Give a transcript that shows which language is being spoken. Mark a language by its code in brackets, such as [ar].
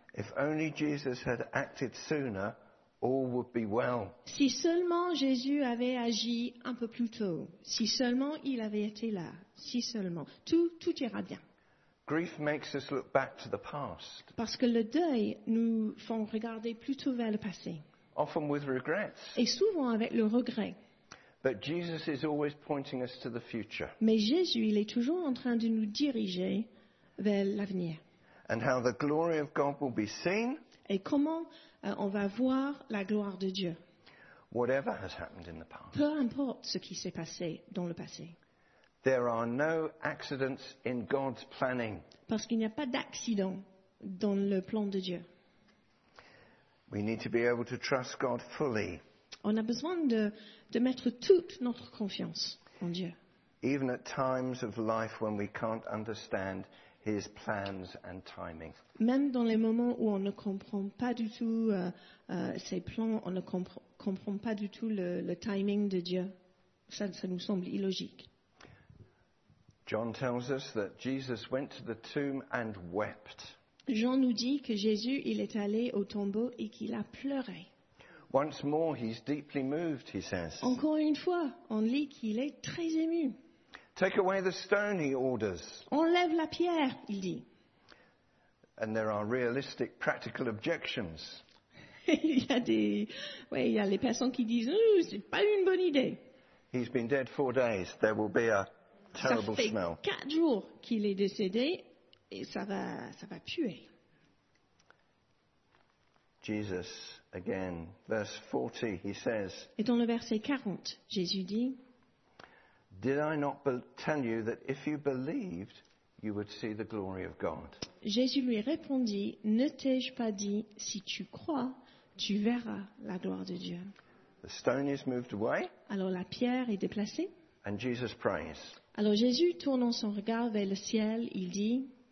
[en] If only Jesus had acted sooner, all would be well. [fr] Si seulement Jésus avait agi un peu plus tôt. Si seulement il avait été là. Si seulement. Tout ira bien. [en] Grief makes us look back to the past. [fr] Parce que le deuil nous fait regarder plutôt vers le passé. [en] Often with regrets. [fr] Et souvent avec le regret. [en] But Jesus is always pointing us to the future. [fr] Mais Jésus, il est toujours en train de nous diriger vers l'avenir. [en] And how the glory of God will be seen. [fr] Et comment on va voir la gloire de Dieu. [en] Whatever has happened in the past. [fr] Peu importe ce qui s'est passé dans le passé. [en] There are no accidents in God's planning. [fr] Parce qu'il n'y a pas d'accident dans le plan de Dieu. [en] We need to be able to trust God fully. [fr] On a besoin de mettre toute notre confiance en Dieu. [en] Even at times of life when we can't understand His plans and timing. [fr] Même dans les moments où on ne comprend pas du tout ses plans, on ne comprend pas du tout le timing de Dieu. Ça nous semble illogique. [en] John tells us that Jesus went to the tomb and wept. [fr] Jean nous dit que Jésus, il est allé au tombeau et qu'il a pleuré. [en] Once more, he's deeply moved, he says. [fr] Encore une fois, on lit qu'il est très ému. [en] Take away the stone, he orders. [fr] Enlève la pierre, il dit. [en] And there are realistic, practical objections. [fr] il y a les personnes qui disent, c'est pas une bonne idée. [en] He's been dead 4 days. There will be a terrible smell. [fr] Ça fait 4 jours qu'il est décédé et ça va puer. [en] Jesus, again, verse 40, he says. [fr] Et dans le verset 40, Jésus dit. [en] Did I not tell you that if you believed, you would see the glory of God? [fr] Jésus lui répondit, ne t'ai-je pas dit, si tu crois, tu verras la gloire de Dieu. [en] The stone is moved away. [fr] Alors la pierre est déplacée. [en] And Jesus prays. [fr] Alors Jésus, tournant son regard vers le ciel, il dit.